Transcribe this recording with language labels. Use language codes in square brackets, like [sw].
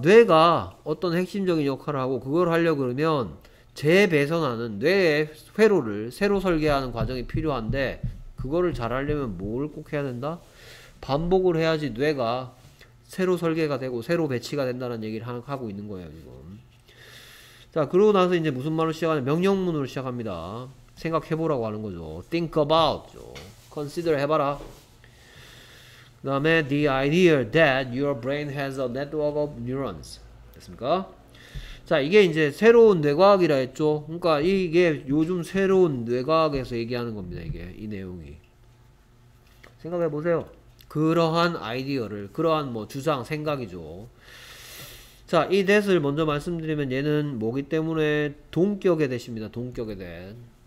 [ko] 뇌가 어떤 핵심적인 역할을 하고 그걸 하려고 그러면 재배선하는 뇌의 회로를 새로 설계하는 과정이 필요한데 그거를 잘 하려면 뭘꼭 해야 된다? 반복을 해야지 뇌가 새로 설계가 되고 새로 배치가 된다는 얘기를 하고 있는 거예요, 지금. 자, 그러고 나서 이제 무슨 말로 시작하냐? 명령문으로 시작합니다. 생각해보라고 하는 거죠. [en] Think about [ko] 죠. consider 해봐라. 그 다음에 [en] the idea that your brain has a network of neurons. [ko] 됐습니까? 자, 이게 이제 새로운 뇌과학이라 했죠. 그러니까 이게 요즘 새로운 뇌과학에서 얘기하는 겁니다. 이게 이 내용이. 생각해 보세요. 그러한 아이디어를, 그러한 뭐 주장, 생각이죠. 자, 이 that을 먼저 말씀드리면 얘는 뭐기 때문에 동격의 that입니다. 동격의 that.